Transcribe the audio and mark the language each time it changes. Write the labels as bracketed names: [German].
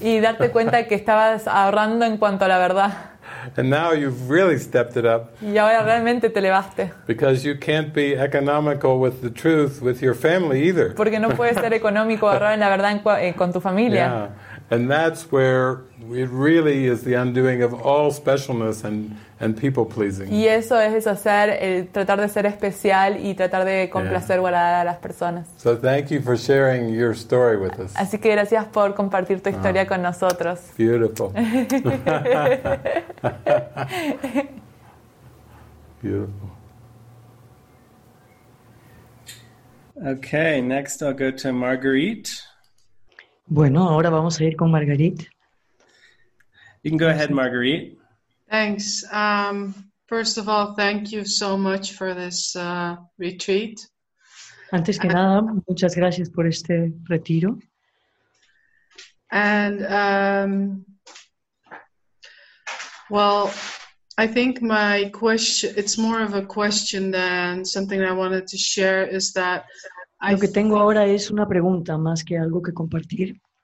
[Spanish] Y darte cuenta que estabas ahorrando en cuanto a la verdad. [English] And now you've really stepped it up. [Spanish] Y ahora realmente te elevaste. [English] Because you can't be economical with the truth with your family either. [Spanish] Porque no puedes ser económico ahora en la verdad con tu familia. Yeah. [English] And that's where it really is the undoing of all specialness and people pleasing. [Spanish] Y eso es deshacer el tratar de ser especial y tratar de complacer yeah. a las personas. [English] So thank you for sharing your story with us. [Spanish] Así que gracias por compartir tu historia con nosotros. [English] Beautiful. Beautiful. Okay, next I'll go to Marguerite. [Spanish] Bueno, ahora vamos a ir con Marguerite. [English] You can go ahead, Marguerite. Thanks. First of all, thank you so much for this retreat. [Spanish] Antes que nada, muchas gracias por este retiro. [English] And, well, I think my question, it's more of a question than something I wanted to share, is that... [Spanish] Lo que tengo ahora es una pregunta más que algo que compartir.